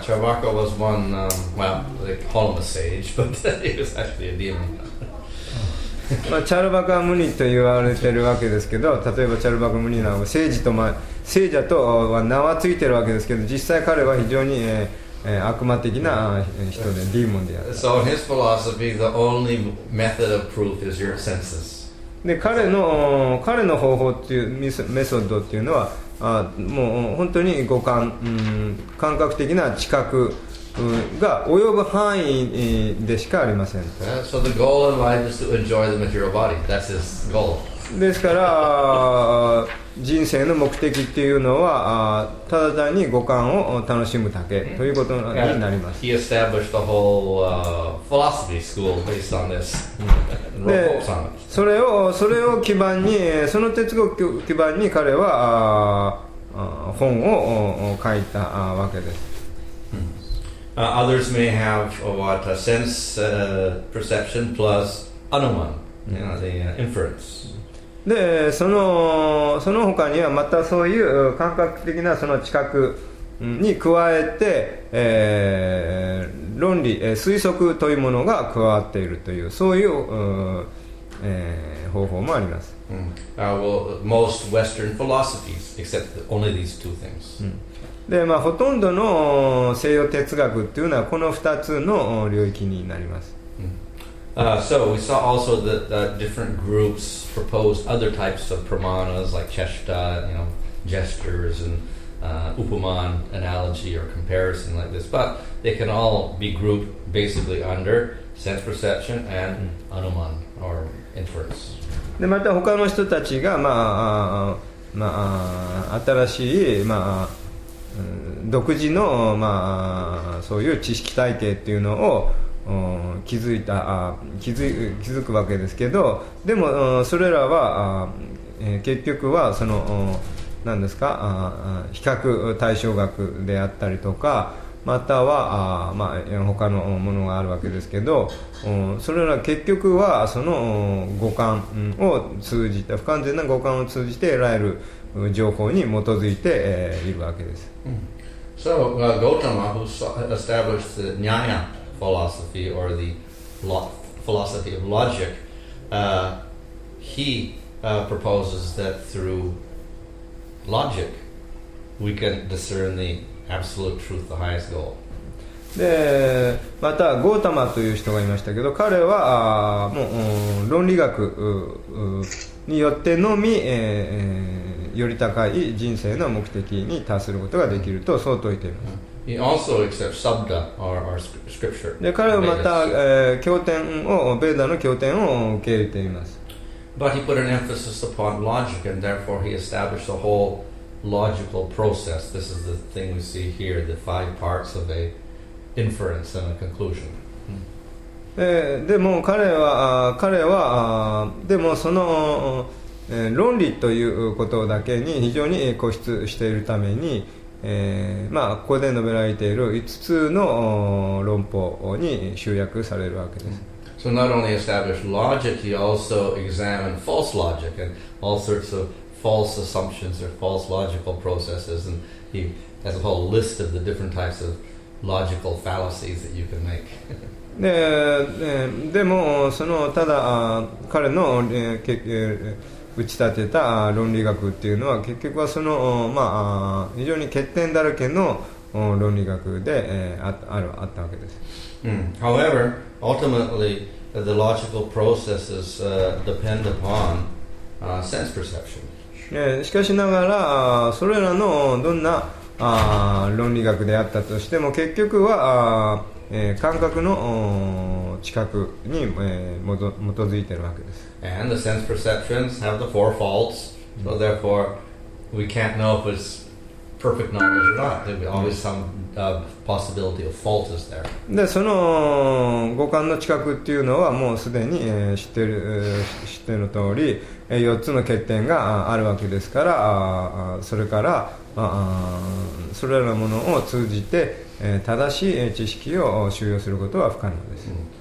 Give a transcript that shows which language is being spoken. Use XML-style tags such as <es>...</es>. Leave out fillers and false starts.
<en>Charvaka was one, well, they call him a sage, but he was actually a demon.</en> <ja>まあ、チャルバカムニと言われてるわけですけど、例えばチャルバカムニなは聖人と、まあ、聖者とは名はついてるわけですけど、実際彼は非常に、悪魔的な人で、ディーモンであった。</ja> <en>So in his philosophy, the only method of proof is your senses.</en> <ja>で、彼の方法っていうメソッドっていうのは、もう本当に五感、感覚的な知覚。が及ぶ範囲でしかありません。</ja> <en>So the goal in life is to enjoy the material body. That's his goal.</en> <ja>ですから人生の目的っていうのはただ単に五感を楽しむだけということになります。</ja> <en>He established the whole philosophy school based on this. で、</en> <ja>それを基盤にその哲学を基盤に彼は本を書いたわけです。</ja> <en>Others may have what a sense perception plus anuman, you know, the inference.</en> <ja>で、その他にはまたそういう感覚的なその知覚に加えて、論理、推測というものが加わっているというそういう、方法もあります。</ja> <en>Well, most Western philosophies accept only these two things.</en> <ja>でまあ、ほとんどの西洋哲学っていうのはこの2つの領域になります。</ja> <en>So we saw also that the different groups proposed other types of pramanas like cheshta, you know, gestures and upaman analogy or comparison like this, but they can all be grouped basically under sense perception and anuman or inference.</en> <ja>でまた他の人たちがまあまあ新しいまあ独自の、まあ、そういう知識体系っていうのを気づくわけですけど、でもそれらは結局はその何ですか、比較対象学であったりとか、または、まあ、他のものがあるわけですけど、それら結局はその五感を通じて、不完全な五感を通じて得られる情報に基づいているわけです。</ja> <en>So, Gautama, who established the Nyaya philosophy or the philosophy of logic, he proposes that through logic we can discern the absolute truth, the highest goal.</en> <ja>で、また、Gautama という人がいましたけど、彼はもう論理学によってのみ、より高い人生の目的に達することができると相当言っています。</ja> <en>He also accepts Sabda, our scripture.</en> <ja>で、彼はまた、経典を、ベーダの経典を受け入れています。</ja> <en>But he put an emphasis upon logic, and therefore he established a whole logical process. This is the thing we see here, the five parts of a inference and a conclusion.</en> <ja>でも彼はでもその論理ということだけに非常に固執しているために、まあ、ここで述べられている5つの論法に集約されるわけです。</ja> <en>So not only established logic, he also examined false logic and all sorts of false assumptions or false logical processes, and he has a whole list of the different types of logical fallacies that you can make.</en> <ja>でもそのただ彼の打ち立てた論理学っていうのは結局はその、まあ、非常に欠点だらけの論理学で、あったわけです。</ja> <en>However, ultimately, the logical processes depend upon sense perception.</en> <ja>しかしながら、それらのどんな論理学であったとしても、結局は感覚の知覚に基づいているわけです。</ja> <en>And the sense perceptions have the four faults, so therefore, we can't know if it's perfect knowledge or not. There'll be always some possibility of faults there.</en> <ja>で、その五感の知覚っていうのはもうすでに知ってる通り、四つの欠点があるわけですから、それから、それらのものを通じて正しい知識を収容することは不可能です。</ja>